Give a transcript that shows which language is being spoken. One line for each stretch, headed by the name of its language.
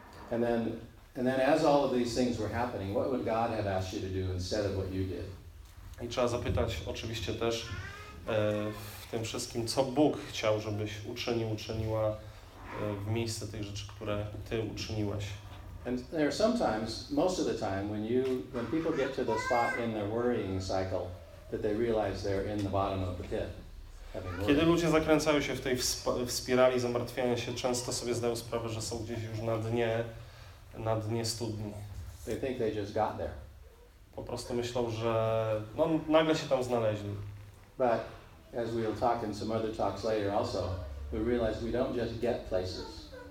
English: And then as all of these things were happening, what would God have asked you to do instead of what you did?
Polish: I trzeba zapytać oczywiście też w tym wszystkim, co Bóg chciał, żebyś uczyniła w miejsce tych rzeczy, które ty uczyniłeś.
English: And there are sometimes, most of the time, when people get to the spot in their worrying cycle, that they realize they're in the bottom of the pit, having worried.
Polish: Kiedy ludzie zakręcają się w tej spirali zamartwiania się, często sobie zdają sprawę, że są gdzieś już na dnie studni.
English: They think they just got there.
Polish: Po prostu myślą, że no, nagle się tam znaleźli.
English: But as we'll talk in some other talks later also, we realize we don't just get places.